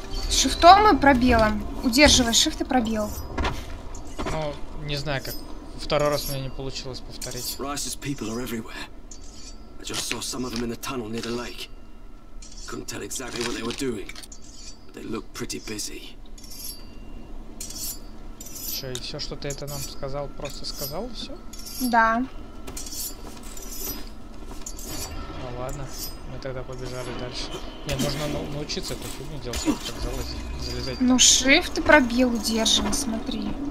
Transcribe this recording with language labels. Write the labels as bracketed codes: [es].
[ru] Шифтом и пробелом. Удерживай shift и пробел. Ну, не знаю как. Второй раз у меня не получилось повторить. [en] Rice's people are everywhere. I just saw some of them in the tunnel near the lake. Couldn't tell exactly what they were doing. But they looked pretty busy. [ru] Че, и все, что ты это нам сказал, просто сказал все? Да. Ну ладно, мы тогда побежали дальше. Не, нужно научиться эту фигню делать, как казалось, залезать. Ну, shift и пробил, держим, смотри.